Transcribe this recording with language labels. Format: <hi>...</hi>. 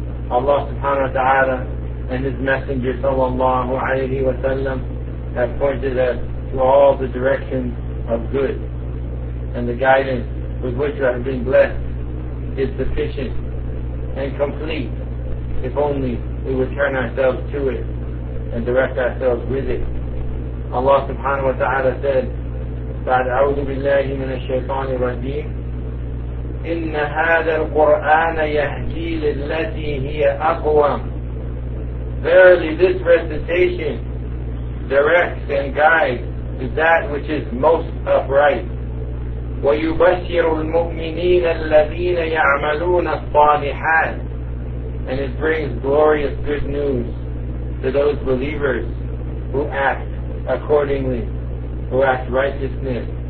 <en>Allah subhanahu wa ta'ala and His Messenger sallallahu alayhi wa sallam have pointed us to all the directions of good, and the guidance with which we have been blessed is sufficient and complete if only we would turn ourselves to it and direct ourselves with it. Allah subhanahu wa ta'ala said,</en> <ar>فَأَعُوذُ بِاللَّهِ مِنَ الشَّيْطَانِ الرَّجِيمِ إِنَّ هَذَا الْقُرْآنَ يَهْدِي لِلَّتِي هِيَ أَقْوَمُ.</ar> <en>Verily this recitation directs and guides to that which is most upright.</en> <ar>وَيُبَشِّرُ الْمُؤْمِنِينَ الَّذِينَ يَعْمَلُونَ الصَّالِحَاتِ.</ar> <en>And it brings glorious good news to those believers who act accordingly, who act righteousness.</en>